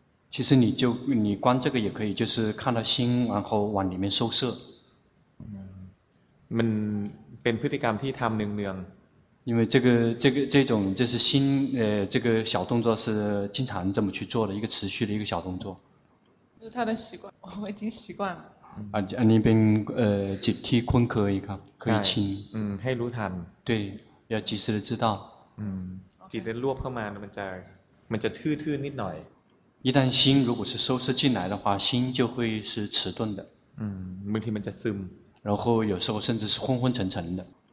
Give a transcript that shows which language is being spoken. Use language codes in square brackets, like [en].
[zh] 其实你观这个也可以就是看到心然后往里面收摄 [th] มันเป็นพฤติกรรมที่ทำเนือง [zh] ๆ因为这种就是心这个小动作是经常这么去做的一个持续的一个小动作就是他的习惯我已经习惯了 [th] อันนี้เป็นจิตที่คุ้นเคยครับเคยชิน ให้รู้ทัน [zh] 对要及时的知道 [th] จิตได้รวบเข้ามามันจะทื่อๆนิดหน่อย [zh] 一旦心如果是收摄进来的话心就会是迟钝的 [th] บางทีมันจะซึม [zh] 然后有时候甚至是昏昏沉沉的